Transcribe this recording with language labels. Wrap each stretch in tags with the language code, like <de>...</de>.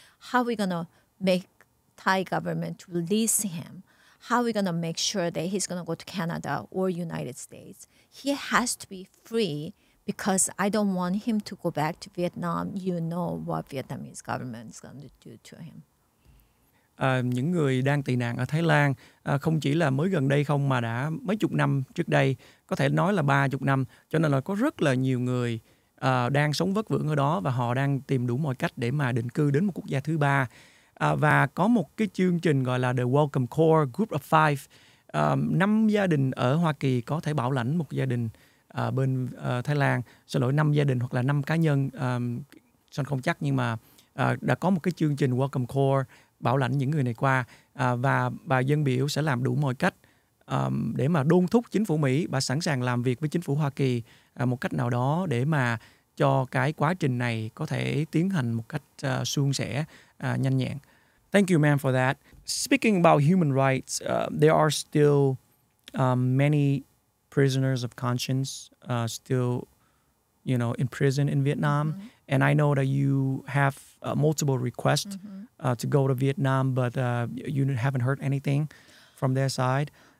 <en>How are we going to make Thai government release him? How are we going to make sure that he's going to go to Canada or United States? He has to be free. Because I don't want him to go back to Vietnam. You know what Vietnamese government is going to do to him.</en> <vi>Những người đang tị nạn ở Thái Lan không chỉ là mới gần đây không mà đã mấy chục năm trước đây, có thể nói là 30 năm, cho nên là có rất là nhiều người đang sống vất vưởng ở đó và họ đang tìm đủ mọi cách để mà định cư đến một quốc gia thứ ba. Và có một cái chương trình gọi là The Welcome Core Group of Five. Năm gia đình ở Hoa Kỳ có thể bảo lãnh một gia đình bên Thái Lan, xin lỗi, 5 gia đình hoặc là 5 cá nhân, son không chắc, nhưng mà đã có một cái chương trình Welcome Core bảo lãnh những người này qua, và bà dân biểu sẽ làm đủ mọi cách để mà đôn thúc chính phủ Mỹ. Bà sẵn sàng làm việc với chính phủ Hoa Kỳ một cách nào đó để mà cho cái quá trình này có thể tiến hành một cách suôn sẻ, nhanh nhẹn.</vi> <en>Thank you, ma'am, for that. Speaking about human rights, there are still many prisoners of conscience still, you know, in prison in Vietnam. And I know that you have multiple requests to go to Vietnam, but you haven't heard anything from their side.</en>